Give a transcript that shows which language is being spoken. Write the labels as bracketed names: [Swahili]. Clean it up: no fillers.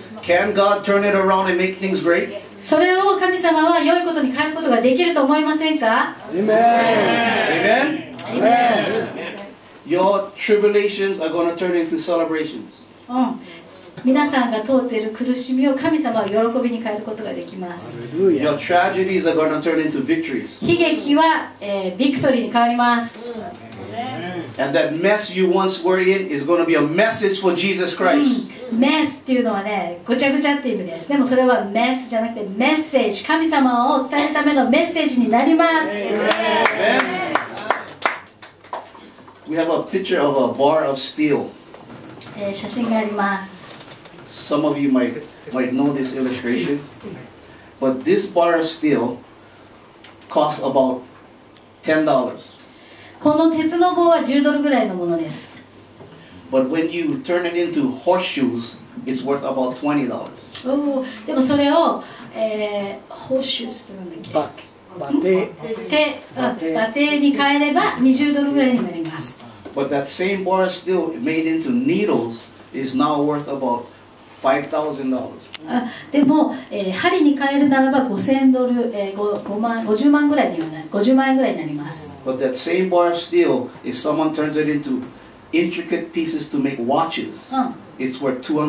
[English] Can God turn it around and make things great? [Japanese] それを神様は良いことに変えることができると思いませんか? [English] Amen! Amen! Your tribulations are going to turn into celebrations. [Japanese] 皆さんが通っている苦しみを神様は喜びに変えることができます。 [English] Your tragedies are going to turn into victories. [Japanese] 悲劇は、ビクトリーに変わります。 [English] And that mess you once were in is going to be a message for Jesus Christ. [Japanese] Mess っていうのはね、ごちゃごちゃっていう意味です。でもそれは mess じゃなくて message。神様を伝えるためのメッセージになります。 [English] Amen. We have a picture of a bar of steel. [Japanese] 写真があります。 [English] Some of you might know this illustration, but this bar of steel costs about $10. [Japanese] この鉄の棒は10ドルぐらいのものです。 [English] But when you turn it into horseshoes, it's worth about $20. [Japanese] でもそれを、horseshoes って何だっけ？バテに変えれば20ドルぐらいになります。 [English] But that same bar steel made into needles is now worth about $5,000. [Japanese] でも、針に変えるならば5000ドル、50万ぐらいにはなる。 50万円ぐらいになります。 [English] But that same bar of steel, if someone turns it into intricate pieces to make watches, it's worth